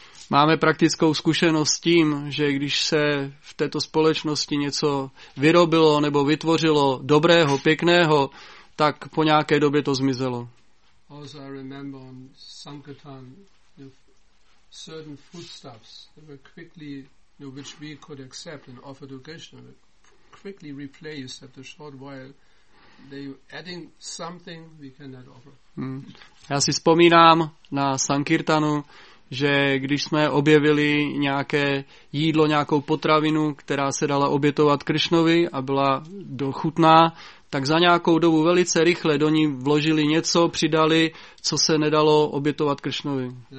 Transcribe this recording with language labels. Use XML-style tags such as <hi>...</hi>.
<cs>Máme praktickou zkušenost s tím, že když se v této společnosti něco vyrobilo nebo vytvořilo dobrého, pěkného, tak po nějaké době to zmizelo.</cs> <en>Also I remember on Sankirtan, certain footsteps that were quickly, you know, which we could accept and offer to Krishna, were quickly replaced after a short while. They adding something we cannot offer.</en> <cs>Já si vzpomínám na Sankirtanu, že když jsme objevili nějaké jídlo, nějakou potravinu, která se dala obětovat Krišnovi a byla dochutná, tak za nějakou dobu velice rychle do ní vložili něco, přidali, co se nedalo obětovat Krišnovi.</cs>